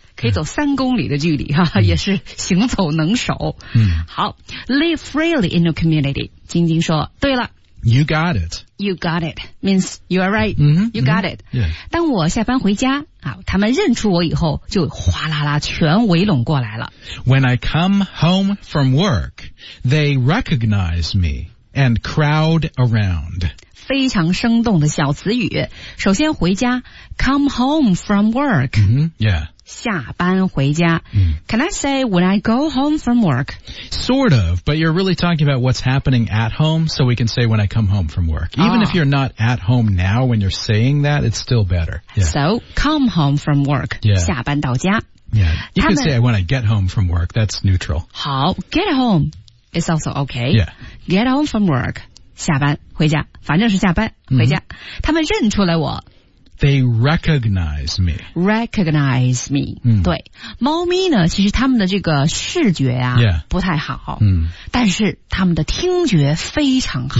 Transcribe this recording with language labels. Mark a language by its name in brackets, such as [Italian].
[Chinese] 可以走3公里的距离哈、啊，也是行走能手。嗯， [English] 好 ，live freely in the community。 [Chinese] 晶晶说：“对了 [English] ，You got it. You got it means you are right. You got it.、 Yeah. [Chinese] 当我下班回家啊，他们认出我以后，就哗啦啦全围拢过来了。 [English] When I come home from work, they recognize me and crowd around. [Chinese] 非常生动的小词语。首先回家 , [English] come home from work.、 Mm-hmm, yeah. [Chinese] 下班回家。 Mm. [English] Can I say when I go home from work? Sort of, but you're really talking about what's happening at home, so we can say when I come home from work. Even、 oh. if you're not at home now when you're saying that, it's still better.、Yeah. So, come home from work.、 Yeah. [Chinese] 下班到家。 [English] Yeah. You can say when I get home from work, that's neutral. 好 ,get home is also okay. Yeah. Get home from work. [Chinese] 下班回家，反正是下班回家、 mm-hmm. 他们认出来我 [English] They recognize me. Recognize me、 mm. [Chinese] 对，猫咪呢其实他们的这个视觉啊、 [English] yeah. [Chinese] 不太好、 mm. 但是他们的听觉非常好。